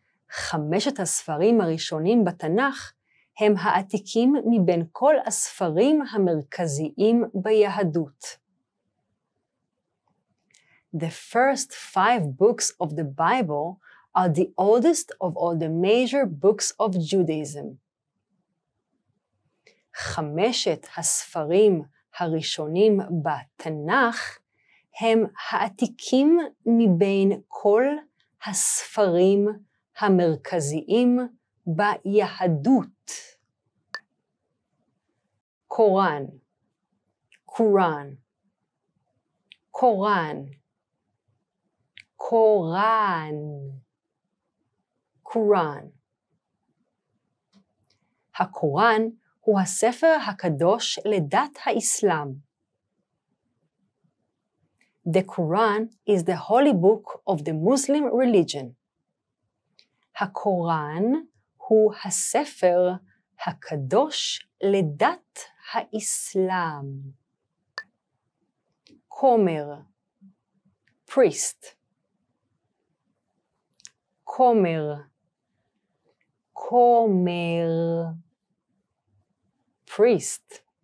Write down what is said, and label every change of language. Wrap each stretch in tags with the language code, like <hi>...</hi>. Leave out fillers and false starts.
<he>חמשת הספרים הראשונים בתנ"ך הם העתיקים מבין כל הספרים המרכזיים ביהדות.</he> <en>The first five books of the Bible are the oldest of all the major books of Judaism.</en> <he>חמשת הספרים הראשונים בתנ"ך הם העתיקים מבין כל הספרים המרכזיים ביהדות. קוראן. קוראן. קוראן. קוראן. קוראן. הקוראן הוא הספר הקדוש לדת האסלאם.</he> <en>The Quran is the holy book of the Muslim religion.</en> <he>הקוראן הוא הספר הקדוש לדת ha-islam. Komer, priest. Komer, komer, priest.</he>